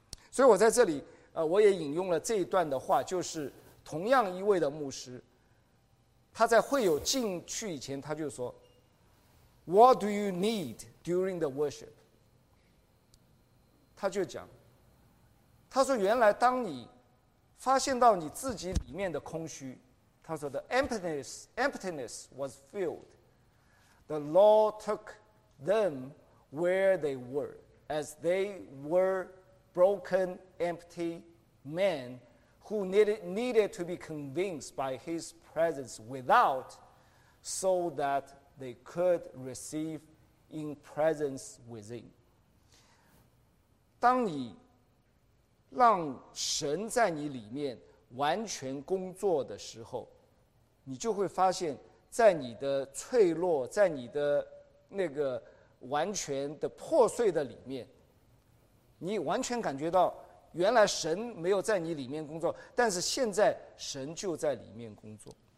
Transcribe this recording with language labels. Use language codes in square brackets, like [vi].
[zh] 所以我在这里我也引用了这一段的话，就是同样一位的牧师，他在会友进去以前他就说， [en] What do you need during the worship？ [zh] 他就讲，他说原来当你发现到你自己里面的空虚，他说 ： [en] “The emptiness was filled. The Lord took them where they were, as they were broken, empty men who needed to be convinced by His presence without, so that they could receive in presence within.” [zh] 当你让神在你里面完全工作的时候，你就会发现，在你的脆弱，在你的那个完全的破碎的里面，你完全感觉到原来神没有在你里面工作，但是现在神就在里面工作。